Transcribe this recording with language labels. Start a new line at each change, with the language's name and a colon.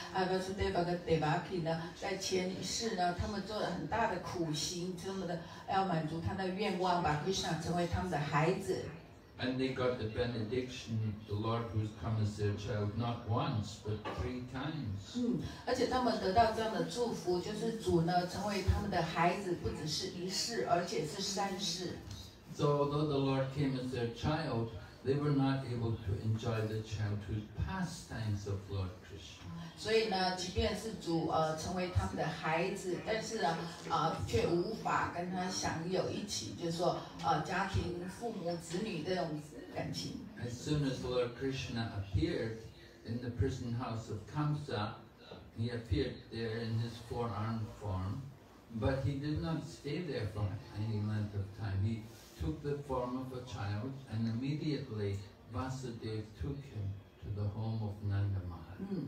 Chinese: Vasudeva and Devaki, 呢，在前世呢，他们做了很大的苦行，他们的要满足他的愿望，把 Krishna 成为他们的孩子。
English: And they got the benediction, the Lord who's come as their child, not once, but three times.
Chinese: 而且他们得到这样的祝福，就是主呢成为他们的孩子，不只是一世，而且是三世。
English: So although the Lord came as their child, they were not able to enjoy the childhood pastimes of Lord Krishna.
Chinese: 所以呢，即便是主成为他们的孩子，但是呢却无法跟他享有一起，就是说家庭父母子女这种感情。
English: As soon as Lord Krishna appeared in the prison house of Kamsa, he appeared there in his four-armed form, but he did not stay there for any length of time. He took the form of a child, and immediately Vasudev took him to the home of Nanda Maharaj.